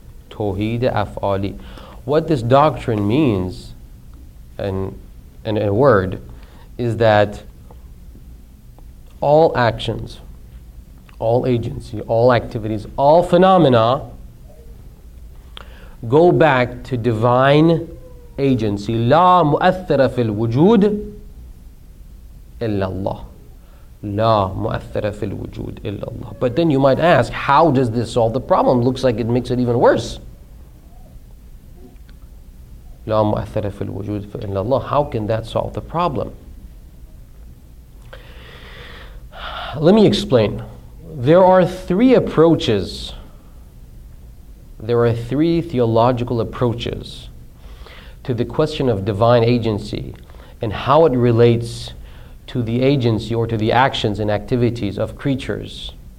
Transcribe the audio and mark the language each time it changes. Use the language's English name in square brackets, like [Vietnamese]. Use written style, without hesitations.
[English] Tawhid Af'ali. What this doctrine means, in a word, is that all actions, all agency, all activities, all phenomena go back to divine agency. [Arabic] لا مؤثر في الوجود إلا الله. لا مؤثر في الوجود إلا الله. [English] But then you might ask, how does this solve the problem? Looks like it makes it even worse. [Arabic] لا مؤثر في الوجود إلا الله. [English] How can that solve the problem? Let me explain. There are three approaches there are three theological approaches to the question of divine agency and how it relates to the agency or to the actions and activities of creatures.